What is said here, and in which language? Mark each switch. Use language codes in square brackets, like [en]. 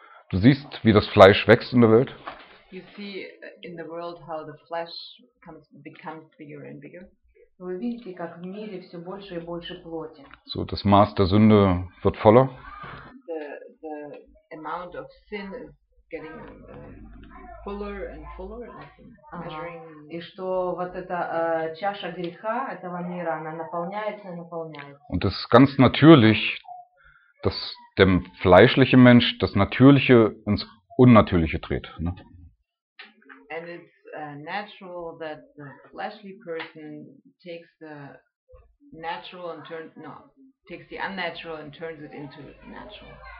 [de] Du siehst, wie das Fleisch wächst in der Welt. [en] You see in the world how the flesh becomes bigger and bigger. [ru] Вы видите, как в мире все больше и больше плоти. [de] So, das Maß der Sünde wird voller. [en] The amount of sin is getting fuller and fuller. [ru] И что вот эта чаша греха этого мира, она наполняется и наполняется. [de] Und es ist ganz natürlich, dass der fleischliche Mensch das Natürliche ins Unnatürliche dreht. Ne? [en] And it's natural that the fleshly person takes the natural and takes the unnatural and turns it into natural.